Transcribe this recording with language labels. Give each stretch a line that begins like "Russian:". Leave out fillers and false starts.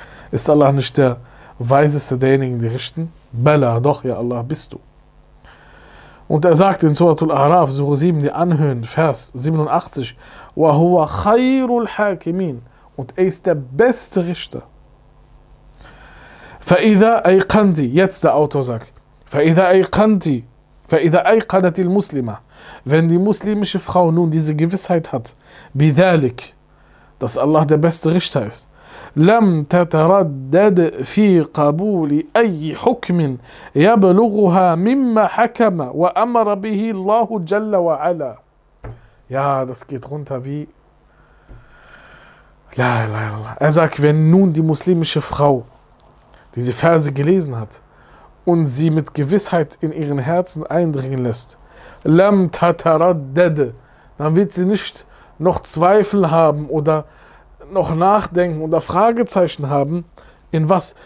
German: Ist Allah nicht der Weiseste derjenigen, die richten? Bella, doch, ja Allah, bist du. Und er sagt in Surah Al-A'raf, Surah 7, die Anhöhen, Vers 87,
Arabic: وَهُوَ خَيْرُ الْحَاكِمِينَ.
German: Und er ist der beste Richter.
Arabic: فَإِذَا أَيْقَنْتِ,
German: jetzt der Autor sagt,
Arabic: فَإِذَا أَيْقَنْتِ, فَإِذَا أَيْقَنَتِ الْمُسْلِمَةِ,
German: wenn die muslimische Frau nun diese Gewissheit hat,
Arabic: بِذَلِك,
German: dass Allah der beste Richter ist,
Arabic: لَمْ تَتَرَدَّدْ فِي قَبُولِ أَيِّ حُكْمٍ يَبْلُغُهَا مِمَّا حَكَمَ وَأَمَرَ بِهِ اللَّهُ جَلَّ وَعَلَى.
German: Ja, das geht runter wie... La, la, la, la. Er sagt, wenn nun die muslimische Frau diese Verse gelesen hat und sie mit Gewissheit in ihren Herzen eindringen lässt,
Arabic: لَمْ تَتَرَدَّدْ,
German: dann wird sie nicht noch Zweifel haben oder noch nachdenken oder Fragezeichen haben, in was?